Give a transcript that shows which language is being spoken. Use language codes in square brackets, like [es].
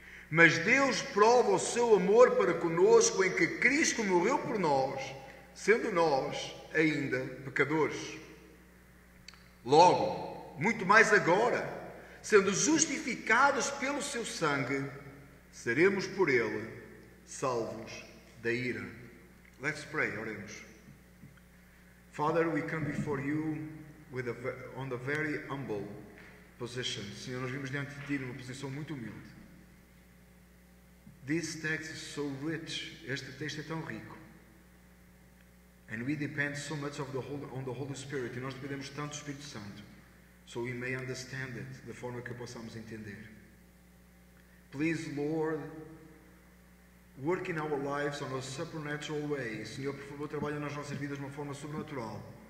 [pt] Mas Deus prova o seu amor para conosco em que Cristo morreu por nós, sendo nós ainda pecadores. Logo, muito mais agora, sendo justificados pelo seu sangue, seremos por ele salvos da ira. [en] Let's pray, [pt] oremos. [en] Father, we come before you on a very humble position. [pt] Senhor, nós vimos diante de ti numa posição muito humilde. [en] This text is so rich. [pt] Este texto é tão rico. [en] And we depend so much on the Holy Spirit. [pt] E nós dependemos tanto do Espírito Santo. [en] So we may understand it, [pt] da forma que possamos entender. [en] Please, Lord, work in our lives on a supernatural way. [pt] Senhor, por favor, trabalhe nas nossas vidas de uma forma sobrenatural.